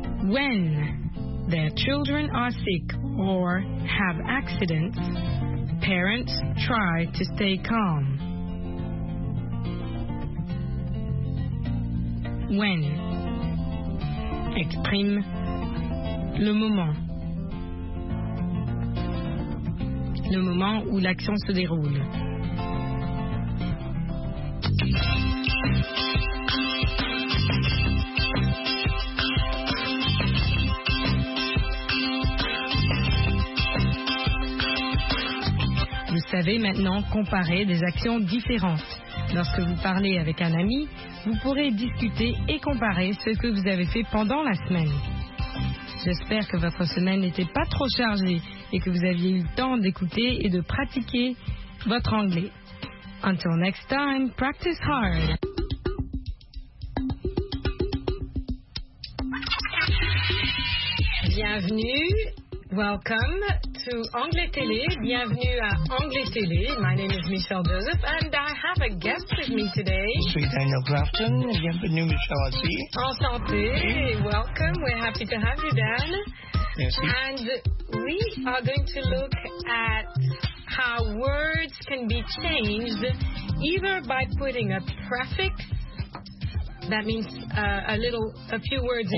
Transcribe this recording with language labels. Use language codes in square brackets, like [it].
[en] When their children are sick or have accidents, parents try to stay calm. [fr] When exprime le moment où l'action se déroule. Vous savez maintenant comparer des actions différentes. Lorsque vous parlez avec un ami, vous pourrez discuter et comparer ce que vous avez fait pendant la semaine. J'espère que votre semaine n'était pas trop chargée et que vous aviez eu le temps d'écouter et de pratiquer votre anglais. [en] Until next time, practice hard. [fr] Bienvenue. [en] Welcome to Anglais Télé. [fr] Bienvenue à Anglais Télé. [en] My name is Michelle Joseph, and I have a guest with me today. [fr] Je suis Daniel Grafton. Bienvenue, Michelle, aussi. Enchanté. Welcome. [en] We're happy to have you, Dan. [fr] Merci. [en] And we are going to look at how words can be changed, either by putting a prefix, that means a few words